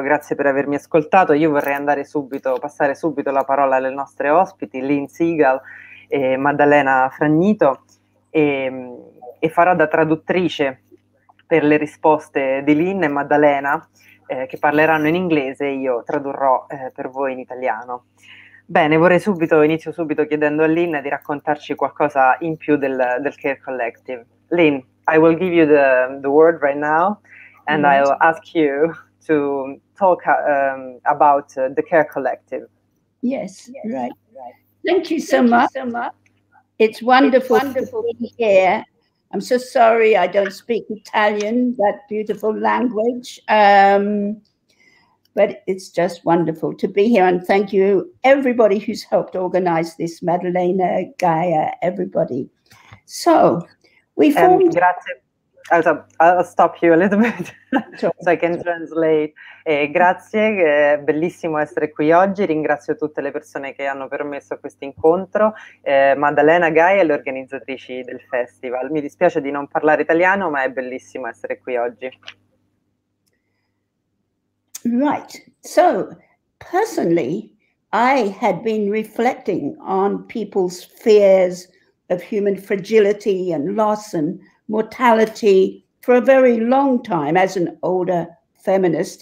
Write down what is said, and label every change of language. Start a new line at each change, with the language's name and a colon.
Italian: Grazie per avermi ascoltato. Io vorrei passare subito la parola alle nostre ospiti, Lynn Segal e Maddalena Fragnito, e farò da traduttrice per le risposte di Lynn e Maddalena. Che parleranno in inglese e io tradurrò per voi in italiano. Bene, inizio subito chiedendo a Lynn di raccontarci qualcosa in più del Care Collective.
English: Lynn, I will give you the word right now and I'll ask you to talk about the Care Collective. Yes, right. Thank you so much. It's wonderful to be here. I'm so sorry I don't speak Italian, that beautiful language. But it's just wonderful to be here. And thank you, everybody who's helped organize this, Maddalena, Gaia, everybody. So we formed. I'll stop you a little bit so I can translate.
Italian: Grazie, bellissimo essere qui oggi. Ringrazio tutte le persone che hanno permesso questo incontro. Maddalena Gaia, le organizzatrici del festival. Mi dispiace di non parlare italiano, ma è bellissimo essere qui oggi.
English: Right. So personally, I had been reflecting on people's fears of human fragility and loss and mortality for a very long time as an older feminist.